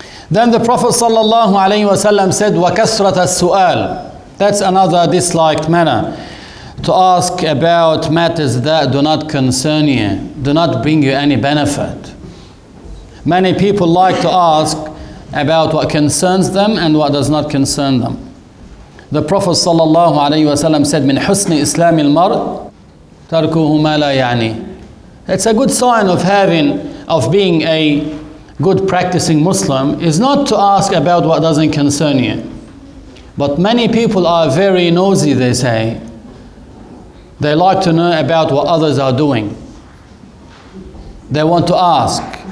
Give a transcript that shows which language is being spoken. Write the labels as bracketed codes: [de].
[en] Then the Prophet sallallahu alaihi wasallam said, [ar] وَكَسْرَةَ السُّؤَالِ. [en] That's another disliked manner, to ask about matters that do not concern you, do not bring you any benefit. Many people like to ask about what concerns them and what does not concern them. The Prophet sallallahu alaihi wasallam said, [ar] مِنْ حُسْنِ إِسْلَامِ الْمَرْءِ تَرْكُهُ مَا لَا يَعْنِي. [en] It's a good sign of having, of being a good practicing Muslim, is not to ask about what doesn't concern you. But many people are very nosy, they say. They like to know about what others are doing. They want to ask.